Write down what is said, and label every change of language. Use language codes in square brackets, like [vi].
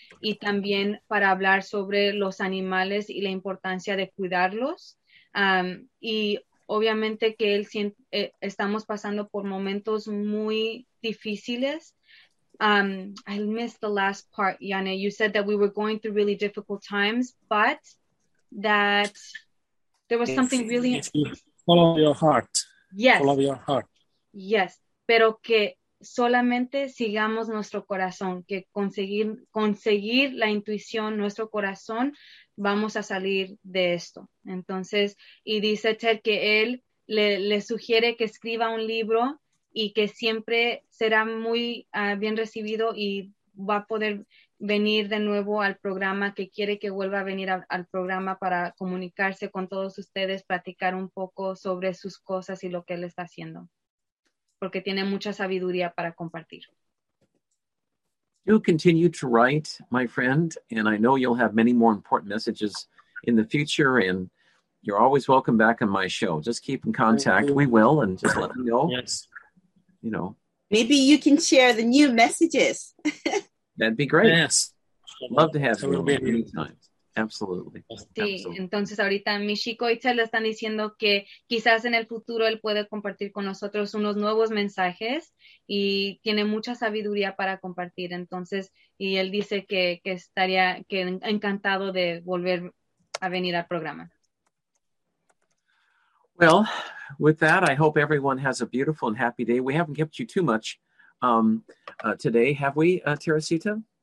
[es] Y también para hablar sobre los animales y la importancia de cuidarlos. Y obviamente que él siente, estamos pasando por momentos muy difíciles. [en] I missed the last part, Janne. You said that we were going through really difficult times, but that there was something really... Follow your heart. Yes. Follow your heart. Yes. [es] pero que solamente sigamos nuestro corazón, que conseguir la intuición, nuestro corazón, vamos a salir de esto. Entonces, y dice Ted que él le sugiere que escriba un libro y que siempre será muy bien recibido y va a poder venir de nuevo al programa, que quiere que vuelva a venir al programa para comunicarse con todos ustedes, platicar un poco sobre sus cosas y lo que él está haciendo, porque tiene mucha sabiduría para compartir. [en] Do continue to write, my friend, and I know you'll have many more important messages in the future, and you're always welcome back on my show. Just keep in contact. We will, and just let me know. Yes. You know. Maybe you can share the new messages. That'd be great. Yes. Love to have you many times. Absolutely. Sí, absolutely. [es] Entonces ahorita Michiko y Ted le están diciendo que quizás en el futuro él puede compartir con nosotros unos nuevos mensajes y tiene mucha sabiduría para compartir. Entonces, y él dice que estaría que encantado de volver a venir al programa. [en] Well, with that, I hope everyone has a beautiful and happy day. We haven't kept you too much today, have we, Teresita?